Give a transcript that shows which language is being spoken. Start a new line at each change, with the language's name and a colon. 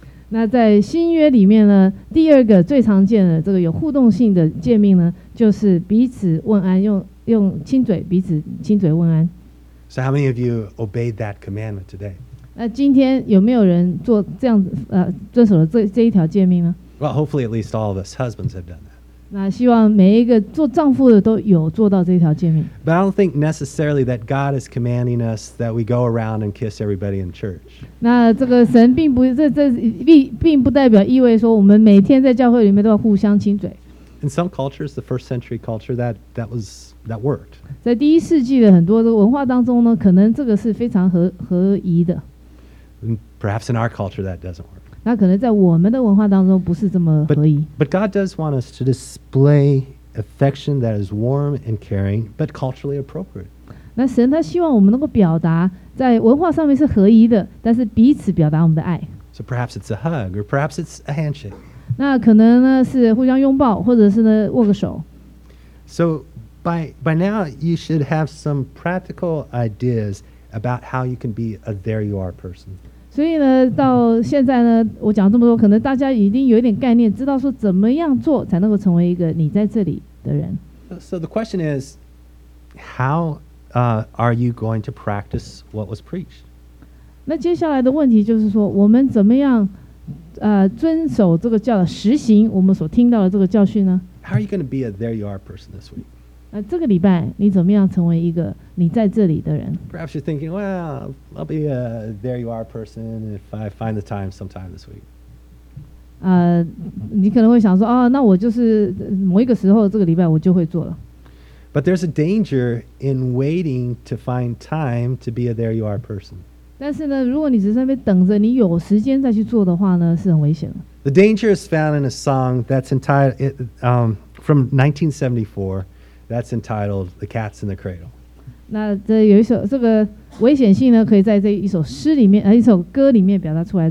Chinese: 那在新约里面呢，第二个最常见的这个有互动性的诫命呢，就是彼此问安，用亲嘴彼此亲嘴问安。
English: So how many of you obeyed that commandment today?
Chinese: 那今天有没有人做这样遵守了这一条诫命呢？
English: Well, hopefully at least all of us husbands have done that.
Chinese: 那希望每一个做丈夫的都有做到这条诫命。
English: But I don't think necessarily that God is commanding us that we go around and kiss everybody in church.
Chinese: 那这个神并不并不代表意味说我们每天在教会里面都要互相亲嘴。
English: In some cultures, the first century culture, that worked.
Chinese: 在第一世纪的很多的文化当中呢，可能这个是非常合宜的。
English: Perhaps in our culture, that doesn't work.
Chinese: 那可能在我们的文化当中不是这么合宜。
English: But God does want us to display affection that is warm and caring, but culturally appropriate.
Chinese: 那神他希望我们能够表达在文化上面是合一的，但是彼此表达我们的爱。
English: So perhaps it's a hug, or perhaps it's a handshake.
Chinese: 那可能呢是互相拥抱，或者是呢握个手。
English: So by now you should have some practical ideas about how you can be a there you are person.
Chinese: 所以呢到现在呢，我讲这么多，可能大家已经有一点概念，知道说怎么样做才能够成为一个你在这里的人。
English: So the question is, howare you going to practice what was preached?
Chinese: 那接下来的问题就是说，我们怎么样，遵守这个教，实行我们所听到的这个教训呢？
English: How are you going to be a there you are person this week?
Chinese: 那这个礼拜你怎么样成为一个你在这里的人？
English: Perhaps you're thinking, well, I'll be a there you are person if I find the time sometime this week.
Chinese: 你可能会想说，哦，那我就是某一个时候这个礼拜我就会做了。
English: But there's a danger in waiting to find time to be a there you are person.
Chinese: 但是呢，如果你只是在那边等着，你有时间再去做的话呢，是很危险的。
English: The danger is found in a song that's entitled from 1974, that's entitled "The Cat's in the Cradle."
Chinese: 那这有一首这个危险性呢，可以在这一首诗里面，一首歌里面表达出来。